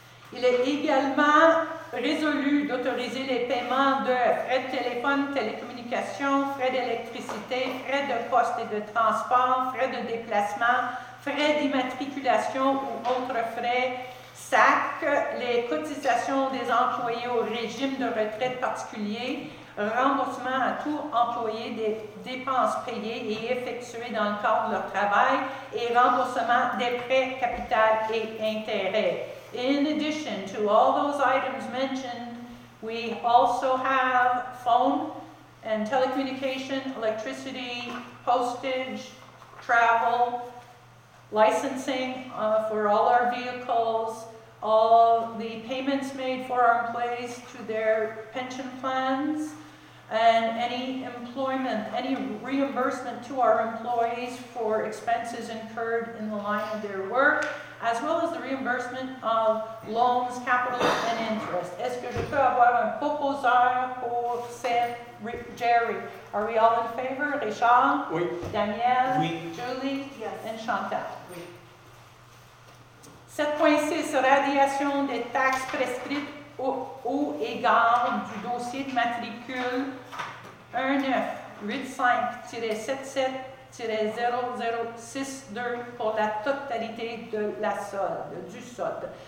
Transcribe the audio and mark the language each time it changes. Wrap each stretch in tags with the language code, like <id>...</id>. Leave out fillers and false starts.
<fr>Il est également résolu d'autoriser les paiements de frais de téléphone, télécommunications, frais d'électricité, frais de poste et de transport, frais de déplacement, frais d'immatriculation ou autres frais, SAC, les cotisations des employés au régime de retraite particulier, remboursement à tout employé des dépenses payées et effectuées dans le cadre de leur travail et remboursement des prêts capital et intérêts.</fr> <en>In addition to all those items mentioned, we also have phone and telecommunication, electricity, postage, travel, licensing for all our vehicles, all the payments made for our employees to their pension plans, And any employment, any reimbursement to our employees for expenses incurred in the line of their work, as well as the reimbursement of loans, capital, and interest.</en> <fr>Est-ce que je peux avoir un proposal pour Sam, Rick, Jerry?</fr> <en>Are we all in favor? Richard?</en> <fr>Oui.</fr> <en>Danielle?</en> <fr>Oui.</fr> <en>Julie? Yes. And Chantal?</en> <fr>Oui. 7.6, radiation des taxes prescrites au égard du dossier de matricule 1985-77-0062 pour la totalité de la solde, du solde.</fr>